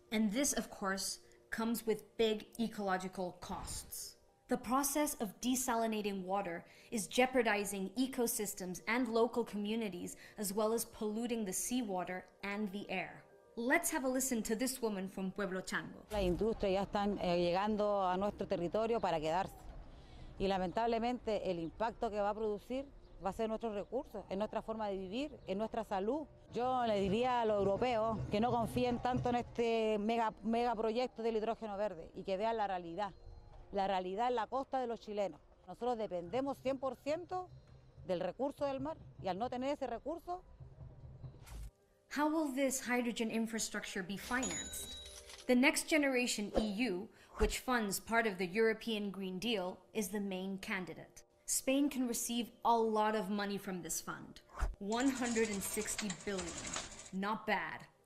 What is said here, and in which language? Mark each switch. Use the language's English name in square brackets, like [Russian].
[English] And this, of course, comes with big ecological costs. The process of desalinating water is jeopardizing ecosystems and local communities, as well as polluting the seawater and the air. Let's have a listen to this woman from Pueblo Chango. [Spanish] La industria ya están llegando a nuestro territorio para quedarse. Y lamentablemente el impacto que va a producir va a ser en nuestros recursos, en nuestra forma de vivir, en nuestra salud. Yo le diría a los europeos que no confíen tanto en este mega proyecto del hidrógeno verde y que vean la realidad. La realidad es la costa de los chilenos. Nosotros dependemos 100% del recurso del mar y al no tener ese recurso... [English] How will this hydrogen infrastructure be financed? The Next Generation EU, which funds part of the European Green Deal, is the main candidate. Spain can receive a lot of money from this fund. 160 billion. Not bad.